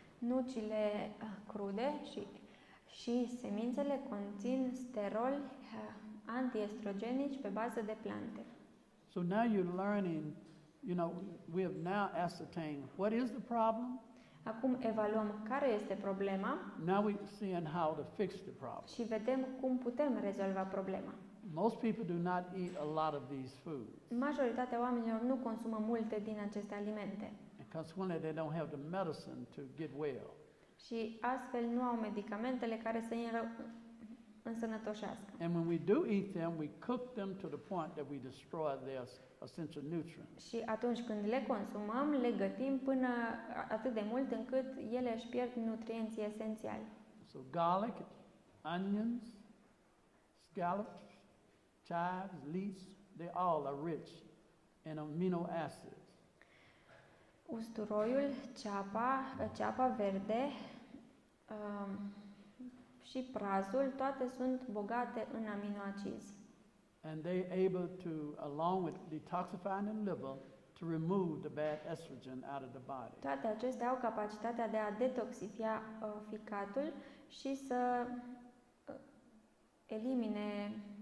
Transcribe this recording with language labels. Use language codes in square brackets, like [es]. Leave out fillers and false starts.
[ro] Nucile crude Și semințele conțin sterol antiestrogenici pe bază de plante. [en] So now you're learning, you know, we have now ascertained what is the problem. [ro] Acum evaluăm care este problema. [en] Now we're seeing how to fix the problem. [ro] Și vedem cum putem rezolva problema. [en] Most people do not eat a lot of these foods. [ro] Majoritatea oamenilor nu consumă multe din aceste alimente. [en] And consequently, they don't have the medicine to get well. [ro] Și astfel nu au medicamentele care să îi însănătoșească. [en] And when we do eat them, we cook them to the point that we destroy their essential nutrients. [ro] Și atunci când le consumăm, le gătim până atât de mult încât ele își pierd nutrienții esențiali. [en] So garlic, onions, scallops, chives, leeks, they all are rich in amino acids. [ro] Usturoiul, ceapa, ceapa verde, și prazul, toate sunt bogate în aminoacizi. [en] And they able to, along with detoxifying the liver, to remove the bad estrogen out of the body. [ro] Toate acestea au capacitatea de a detoxifia ficatul și să elimine